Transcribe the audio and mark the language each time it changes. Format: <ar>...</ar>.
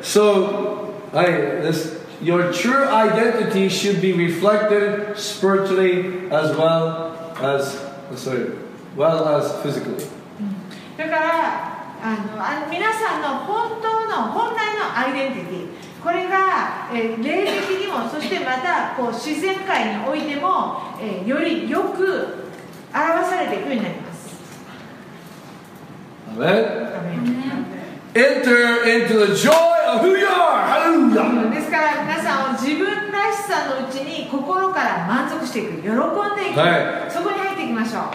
<en>So, I, this, your true identity should be reflected spiritually as well as, sorry, well as physically.</en> <ja>だから、皆さんの本当の本来のアイデンティティ。これが、霊的にもそしてまたこう自然界においても、よりよく表されていくようになります。アメン。</ja> <en>Enter into the joy of who you are. Hallelujah.</en> <ja>ですから皆さんを自分らしさのうちに心から満足していく、喜んでいく、はい、そこに入っていきましょう。</ja>